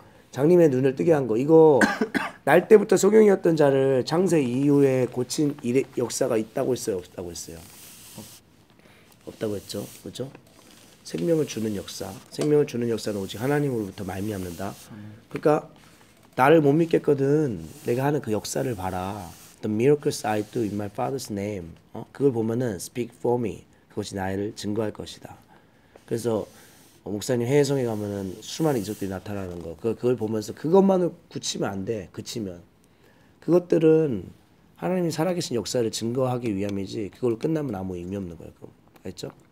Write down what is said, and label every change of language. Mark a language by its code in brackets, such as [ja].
[ko] 장님의 눈을 뜨게 한 거 이거 날 때부터 소경이었던 자를 창세 이후에 고친 일의 역사가 있다고 했어요. 없다고 했어요. 없다고 했죠. 그렇죠? 생명을 주는 역사는 오직 하나님으로부터 말미암는다. 그러니까 나를 못 믿겠거든 내가 하는 그 역사를 봐라. [en] The miracles I do in my father's name. [ko] 그걸 보면은 [en] speak for me. [ko] 그것이 나를 증거할 것이다. 그래서 목사님 해외성에 가면은 수많은 이적들이 나타나는 거. 그걸 보면서 그것만을 굳히면 안 돼. 그치면. 그것들은 하나님이 살아계신 역사를 증거하기 위함이지 그걸로 끝나면 아무 의미 없는 거야. 알겠죠?